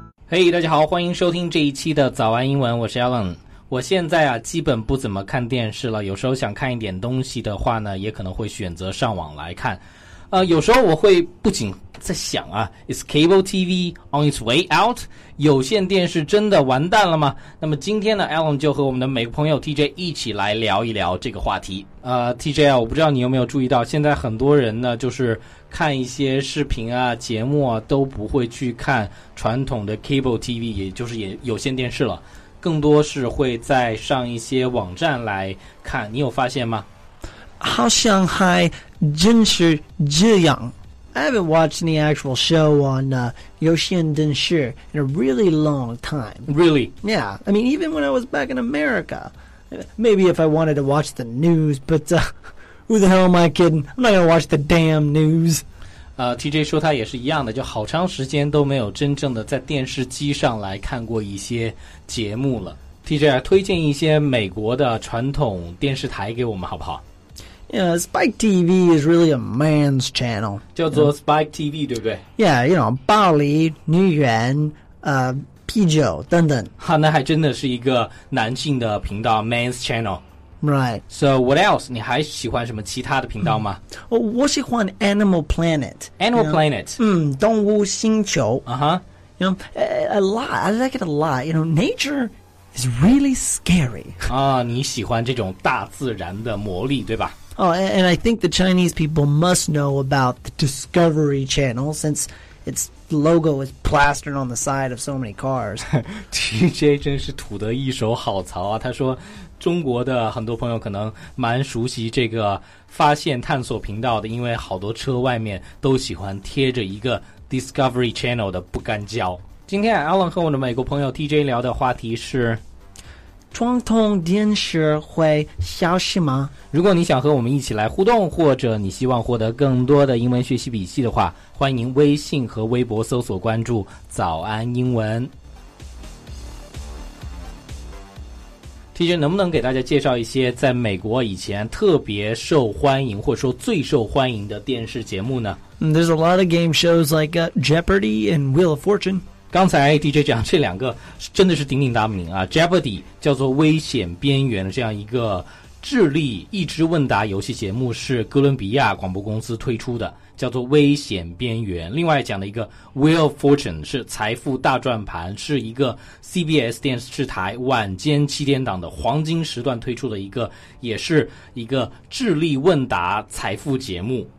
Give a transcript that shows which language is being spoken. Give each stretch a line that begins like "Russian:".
Chinese: Hey， 大家好，欢迎收听这一期的早安英文，我是 Alan。我现在啊，基本不怎么看电视了，有时候想看一点东西的话呢，也可能会选择上网来看。有时候我会不仅在想啊，
English: Is cable TV on its way out?
Chinese: 有线电视真的完蛋了吗？那么今天呢， Alan 就和我们的美国朋友 TJ 一起来聊一聊这个话题。 TJ 啊，我不知道你有没有注意到，现在很多人呢，就是看一些视频啊、节目啊，都不会去看传统的 cable TV， 也就是有线电视了，更多是会在上一些网站来看，你有发现吗？好像还真是这样。
English: I haven't watched any actual show on
Chinese: 有线电视
English: in a really long time. Really? Yeah. I mean, even when I was back in America. Maybe if I wanted to watch the news, but who the hell am I kidding? I'm not going to watch the damn news.
Chinese: TJ 说他也是一样的，就好长时间都没有真正的在电视机上来看过一些节目了。 TJ, 推荐一些美国的传统电视台给我们好不好？
English: Yeah, Spike TV is really a man's channel.
Chinese: 叫做 Spike TV, 对不对？
English: Yeah, you know,
Chinese: 暴力、女人、啤酒等等。哈，那还真的是一个男性的频道 ,
English: man's channel. Right. So what else?
Chinese: 你还喜欢什么其他的频道吗？我喜欢 Animal Planet.
English: Animal Planet.
Chinese: 动物星球。 Uh-huh.
English: You know, a lot. I like it a lot. You know, nature... It's really scary.
Chinese: 你喜欢这种大自然的魔力，对吧？
English: And I think the Chinese people must know about the Discovery Channel since its logo is plastered on the side of so many cars.
Chinese: TJ 真是吐得一手好槽啊！他说，中国的很多朋友可能蛮熟悉这个发现探索频道的，因为好多车外面都喜欢贴着一个 Discovery Channel 的不干胶。今天 Alan 和我的美国朋友 TJ 聊的话题是传统电视会消失吗？如果你想和我们一起来互动，或者你希望获得更多的英文学习笔记的话，欢迎微信和微博搜索关注早安英文。 TJ 能不能给大家介绍一些在美国以前特别受欢迎或者说最受欢迎的电视节目呢？
English: There's a lot of game shows like Jeopardy and Wheel of Fortune。
Chinese: 刚才 DJ 讲这两个真的是鼎鼎大名啊， Jeopardy 叫做危险边缘的这样一个智力益智问答游戏节目，是哥伦比亚广播公司推出的，叫做危险边缘。另外讲的一个 Wheel of Fortune 是财富大转盘，是一个 CBS 电视台晚间七点档的黄金时段推出的一个，也是一个智力问答财富节目。